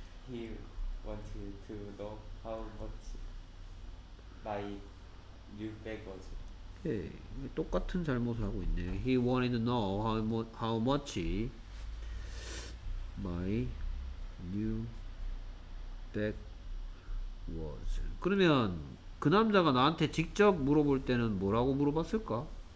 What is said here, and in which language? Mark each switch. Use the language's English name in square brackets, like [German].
[English] He wanted to know how much my new bag was. [Korean] 오케이, 똑같은 잘못을 하고 있네. [English] He wanted to know how much my new bag was. [Korean] 그러면 그 남자가 나한테 직접 물어볼 때는 뭐라고 물어봤을까?